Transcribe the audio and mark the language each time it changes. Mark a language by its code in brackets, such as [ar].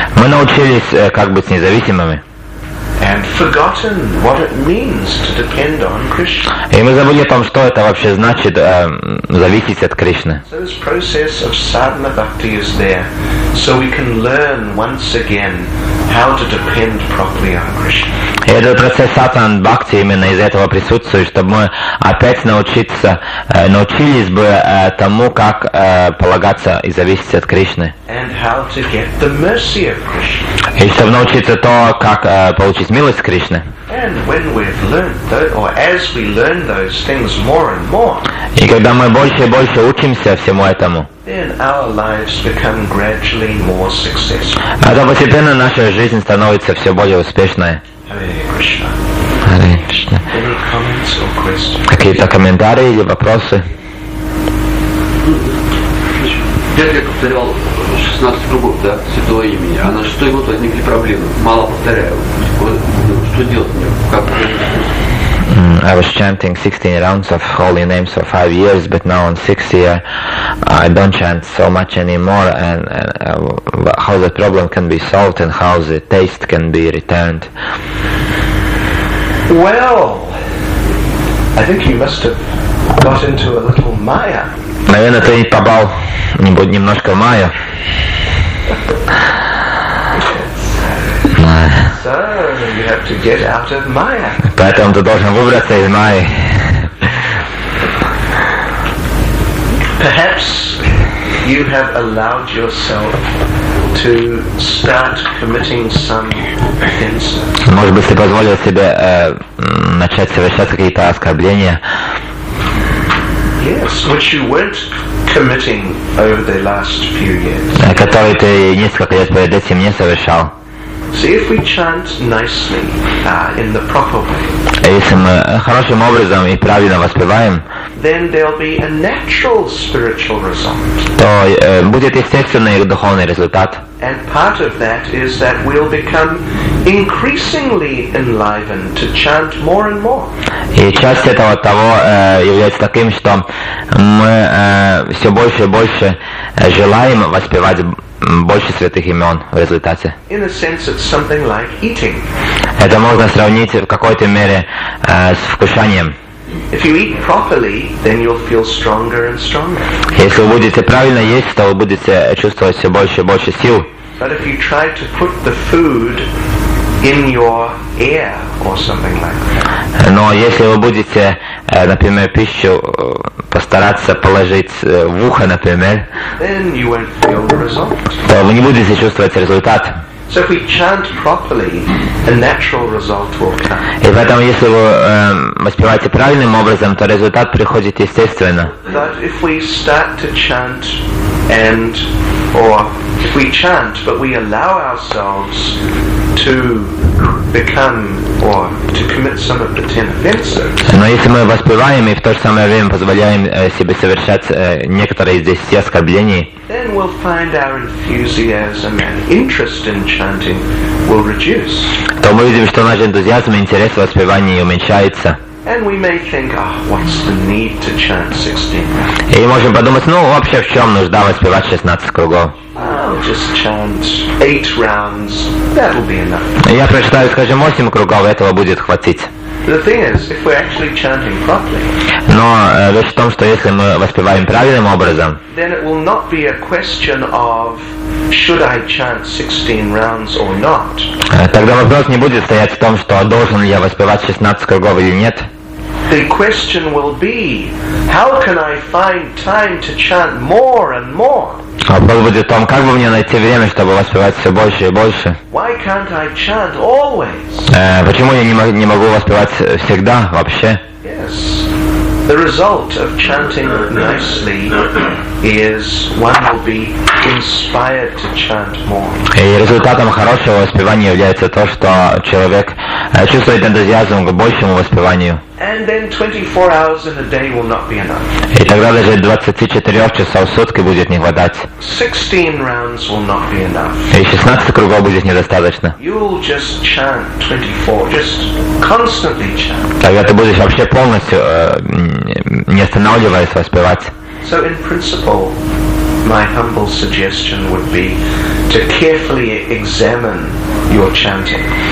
[ru] Мы научились как быть независимыми. [en] And forgotten what it means to depend on Krishna. [ru] И мы забыли о том, что это вообще значит зависеть от Кришны. [en] So this process of sadhana bhakti is there, so we can learn once again how to depend properly on Krishna. [ru] И этот процесс сатан бхакти именно из этого присутствует, чтобы мы опять научились бы тому, как полагаться и зависеть от Кришны. [en] And how to get the mercy of Krishna. [ru] И чтобы научиться то, как получить милость Кришны. [en] And when we've learned or as we learn those things more and more. [ru] И когда мы больше и больше учимся всему этому. [en] Then our lives become gradually more successful. [ru] А то постепенно наша жизнь становится все более успешной. [en] Hare Krishna. Any comments or questions? [ru] Какие-то комментарии или вопросы? Дядя повторял 16 кругов, да, святого имени. А на 6-й год возникли проблемы. Мало повторяю. Что делать мне? Как? [en] I was chanting 16 rounds of holy names for 5 years, but now on 6th year, I don't chant so much anymore, and how the problem can be solved and how the taste can be returned. Well, I think you must have got into a little maya. [ru] Наверное, ты попал немножко в майя. [en] So you have to get out of Maya. [ru] Поэтому ты должен выбраться из Майи. [en] Perhaps you have allowed yourself to start committing some sins. [ru] Может быть, ты позволил себе начать совершать какие-то оскорбления? [en] Yes, which you weren't committing over the last few years. [ru] Которые ты несколько лет перед этим не совершал. [en] See, if we chant nicely, in the proper way, [ru] если мы хорошим образом и правильно воспеваем, [en] then there'll be a natural spiritual result. [ru] То будет естественный духовный результат. [en] And part of that is that we'll become increasingly enlivened to chant more and more. [ru] И часть этого того является таким, что мы все больше и больше желаем воспевать больше святых имен в результате. [en] In a sense, it's something like eating. [ru] Это можно сравнить в какой-то мере с вкушанием. [en] If you eat properly, then you'll feel stronger and stronger. [ru] Если вы будете правильно есть, то вы будете чувствовать все больше и больше сил. [en] But if you try to put the food in your air or something like that. [ru] Но если вы будете, например, пищу постараться положить в ухо, например, [en] then you won't feel the result. [ru] То вы не будете чувствовать результат. [en] So if we chant properly, a natural result will come. [ru] И поэтому, если вы воспеваете правильным образом, то результат приходит естественно. [en] But if we start to chant and, or if we chant, but we allow ourselves to become or to commit some of the ten offenses. [ru] Но если мы воспеваем и в то же самое время позволяем себе совершать некоторые из десяти оскорблений, [en] then we'll find our enthusiasm and interest in chanting will reduce. [ru] То мы видим, что наш энтузиазм и интерес в воспевании уменьшается. [en] And we may think, oh, what's the need to chant 16? [ru] И можем подумать, ну вообще в чем нужда воспевать 16 кругов? [en] I'll just chant 8 rounds. That'll be enough. [ru] Я прочитаю, скажем, 8 кругов, этого будет хватить. [en] The thing is, if we're actually chanting properly. [ru] Но вещь в том, что если мы воспеваем правильным образом, [en] then it will not be a question of should I chant 16 rounds or not. [ru] Тогда вопрос не будет стоять в том, что должен ли я воспевать 16 кругов или нет. [en] The question will be, how can I find time to chant more and more? [ru] Вопрос будет в том, как бы мне найти время, чтобы воспевать все больше и больше. [en] Why can't I chant always? [ru] Почему я не могу воспевать всегда вообще? [en] Yes. The result of chanting nicely is one will be inspired to chant more. [ru] И результатом хорошего воспевания является то, что человек чувствует энтузиазм к большему воспеванию. [en] And then 24 hours in a day will not be enough. [ru] И тогда даже 24 часов в сутки будет не хватать. [en] 16 rounds will not be enough. [ru] И 16 кругов будет недостаточно. [en] You'll just chant 24, just constantly chant. [ru] Тогда ты будешь вообще полностью не останавливаясь воспевать. [en] So in principle, my humble suggestion would be to carefully examine your chanting.